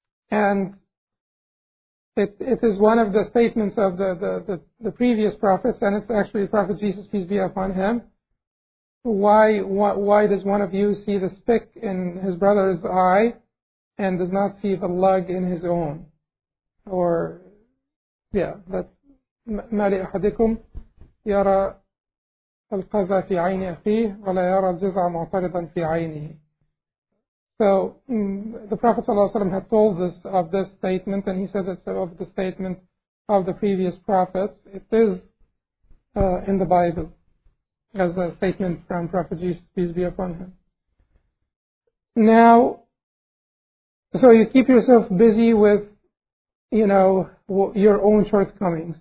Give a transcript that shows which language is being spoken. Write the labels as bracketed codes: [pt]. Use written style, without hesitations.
[en] And it is one of the statements of the previous prophets, and it's actually Prophet Jesus, peace be upon him. Why does one of you see the speck in his brother's eye and does not see the lug in his own? Or, yeah, that's [ar] مالي أحدكم يرى القذى في عين أخيه ولا يرى الجزع معترضا في عينه. [en] So the Prophet ﷺ had told us of this statement, and he said it's of the statement of the previous prophets. It is in the Bible as a statement from Prophet Jesus, peace be upon him. Now, so you keep yourself busy with, you know, your own shortcomings.